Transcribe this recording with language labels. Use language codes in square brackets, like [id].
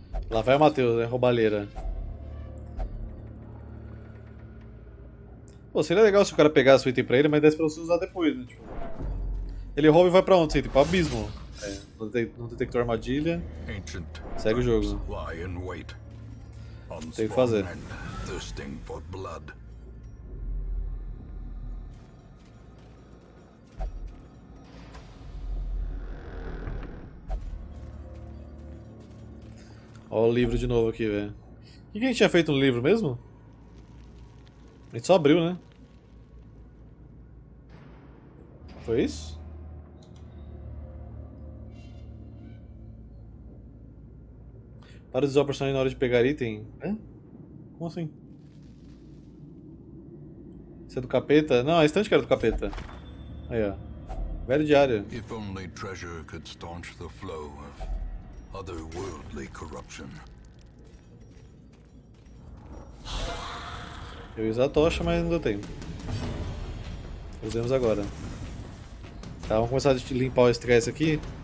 [pt] Lá vai o Matheus, é roubalheira. Pô, seria legal se o cara pegasse o item pra ele, mas desse pra você usar depois, né? Tipo, ele rouba e vai pra onde? Tipo, abismo. É, não detectou armadilha. [en] Ancient [pt] Segue o [en] traps [pt] jogo. [en] lie in wait. [pt] Tem que fazer. [en] Unspawned men thirsting for blood. [pt] Ó, o livro de novo aqui, velho. O que a gente tinha feito no livro mesmo? A gente só abriu, né? Foi isso? Para de usar o personagem na hora de pegar item. Hã? Como assim? Isso é do capeta? Não, a estante que era do capeta. Aí, ó. Velho diário. [en] If only treasure could staunch the flow of otherworldly corruption. [pt] Eu ia usar a tocha, mas não deu tempo. Usemos agora. Tá, vamos começar a limpar o estresse aqui.